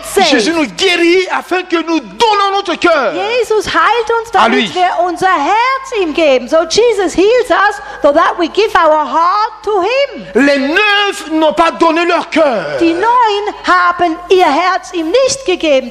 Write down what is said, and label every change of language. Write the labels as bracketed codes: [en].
[fr] Jésus nous guérit afin que nous donnons notre cœur. [de] Jesus heilt uns, damit wir unser Herz ihm geben. [en] So Jesus heals us, so that we give our heart to him. [fr] Les neuf n'ont pas donné leur cœur. [de] Die neun haben ihr Herz ihm nicht gegeben.